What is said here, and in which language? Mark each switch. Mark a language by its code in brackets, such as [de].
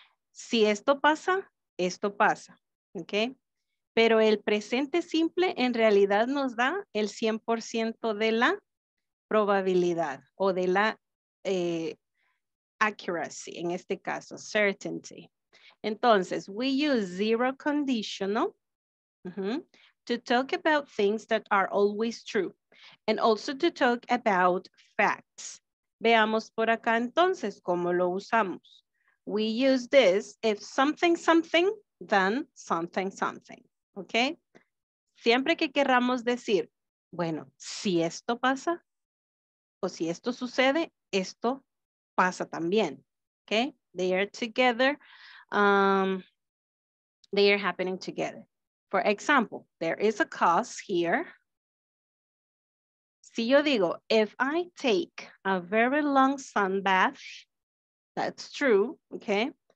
[es] Si esto pasa, esto pasa, ¿ok? Pero el presente simple en realidad nos da el 100% de la probabilidad o de la accuracy, en este caso, certainty. [en] Entonces, we use zero conditional to talk about things that are always true and also to talk about facts. [es] Veamos por acá entonces cómo lo usamos. [en] We use this if something, something, then something, something. Okay? [es] Siempre que querramos decir, bueno, si esto pasa, o si esto sucede, esto pasa también. [en] Okay? They are together. They are happening together. For example, there is a cause here. [es] Si yo digo, [en] if I take a very long sun bath, that's true, okay?